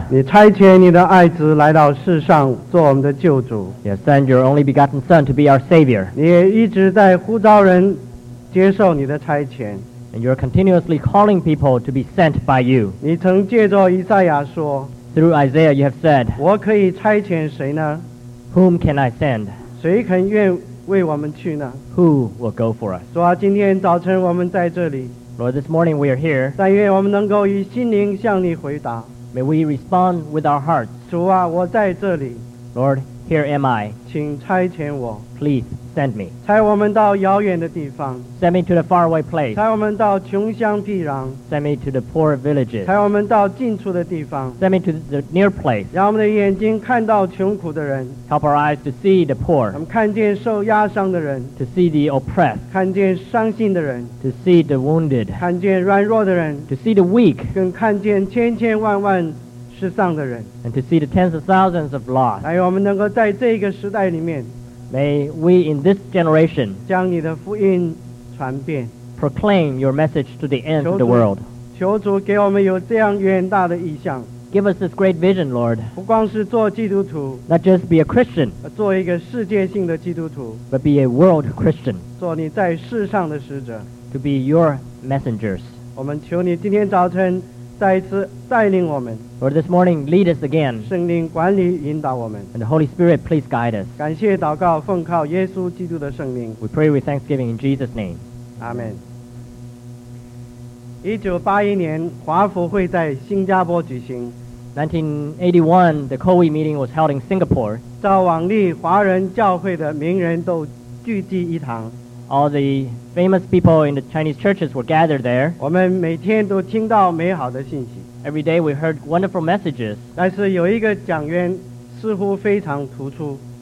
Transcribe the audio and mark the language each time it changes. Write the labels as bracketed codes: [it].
[zh] 你差遣你的爱子来到世上做我们的救主, [en] you have sent your only begotten Son to be our Savior. [zh] 你也一直在呼召人接受你的差遣, [en] and you're continuously calling people to be sent by you. [zh] 你曾借着以赛亚说, [en] through Isaiah you have said, [zh] 我可以差遣谁呢? [en] Whom can I send? [zh] 谁肯愿为我们去呢? [en] Who will go for us? [zh] 主啊,今天早晨我们在这里, [en] Lord, this morning we are here. [zh] 但愿我们能够以心灵向你回答, [en] may we respond with our hearts. [zh] 主啊,我在这里, [en] Lord, here am I. [zh] 请差遣我, [en] please send me. [zh] 差我们到遥远的地方, [en] send me to the faraway place. [zh] 差我们到穷乡僻壤, [en] send me to the poor villages. [zh] 差我们到近处的地方, [en] send me to the near place. [zh] 让我们的眼睛看到穷苦的人, [en] help our eyes to see the poor. [zh] 我们看见受压伤的人, [en] to see the oppressed. [zh] 看见伤心的人, [en] to see the wounded. [zh] 看见软弱的人, [en] to see the weak. [zh] 更看见千千万万, [en] and to see the tens of thousands of lost. [zh] 来我们能够在这个时代里面, [en] may we in this generation [zh] 将你的福音传遍, [en] proclaim your message to the end of the world. [zh] 求主给我们有这样远大的意向, [en] give us this great vision, Lord. [zh] 不光是做基督徒, [en] not just be a Christian, [zh] 做一个世界性的基督徒, [en] but be a world Christian, [zh] 做你在世上的使者, [en] to be your messengers. [zh] 我们求你今天早晨, [en] Lord, this morning, lead us again. [zh] 圣灵管理引导我们, [en] and the Holy Spirit, please guide us. [zh] 感谢祷告, 奉靠耶稣基督的圣灵, [en] we pray with thanksgiving in Jesus' name. Amen. [zh] 1981年, 华福会在新加坡举行, [en] 1981, the COWI meeting was held in Singapore. [zh] 照往例, 华人教会的名人都聚集一堂, [en] all the famous people in the Chinese churches were gathered there. [zh] 我们每天都听到美好的信息, [en] every day we heard wonderful messages. [zh] 但是有一个讲员似乎非常突出,